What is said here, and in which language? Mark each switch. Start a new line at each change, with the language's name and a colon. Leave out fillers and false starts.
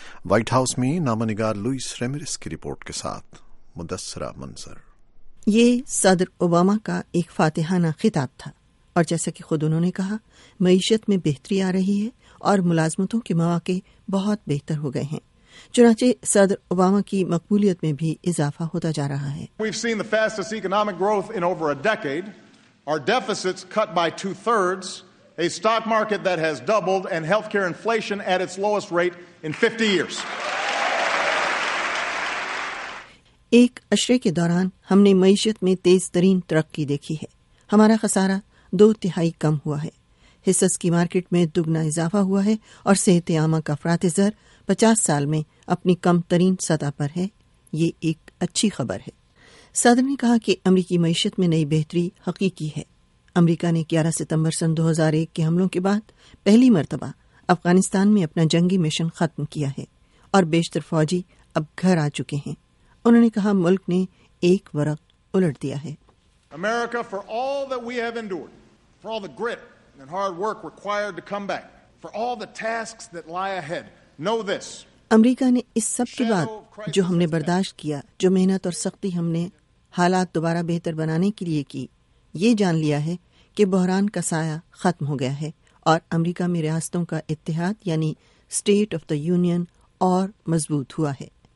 Urdu: White house میں نامہ نگار لوئس ریمیرس کی رپورٹ کے ساتھ مدثرہ منظر. یہ صدر اوباما کا ایک فاتحانہ خطاب تھا اور جیسا کہ خود انہوں نے کہا معیشت میں بہتری آ رہی ہے اور ملازمتوں کے مواقع بہت بہتر ہو گئے ہیں. چنانچہ صدر اوباما کی مقبولیت میں بھی اضافہ ہوتا جا رہا ہے.
English: We've seen the fastest economic growth in over a decade. Our deficits cut by 2/3, a stock market that has doubled, and healthcare inflation at its lowest rate in 50 years.
Urdu: ایک عشرے کے دوران ہم نے معیشت میں تیز ترین ترقی دیکھی ہے. ہمارا خسارہ 2/3 کم ہوا ہے. حصص کی مارکیٹ میں دگنا اضافہ ہوا ہے اور صحت عامہ کا افراط زر 50 سال میں اپنی کم ترین سطح پر ہے. یہ ایک اچھی خبر ہے. صدر نے کہا کہ امریکی معیشت میں نئی بہتری حقیقی ہے. امریکہ نے 11 ستمبر 2001 کے حملوں کے بعد پہلی مرتبہ افغانستان میں اپنا جنگی مشن ختم کیا ہے اور بیشتر فوجی اب گھر آ چکے ہیں. انہوں نے کہا ملک نے ایک ورق الٹ دیا ہے.
English: America, for all that we have endured, for all the grit and hard work required to come back, for all the tasks that lie ahead, know this.
Urdu: امریکہ نے اس سب کے بعد جو ہم نے برداشت کیا, جو محنت اور سختی ہم نے حالات دوبارہ بہتر بنانے کے لیے کی, یہ جان لیا ہے کہ بحران کا سایہ ختم ہو گیا ہے اور امریکہ میں ریاستوں کا اتحاد یعنی اسٹیٹ آف دا یونین اور مضبوط ہوا ہے.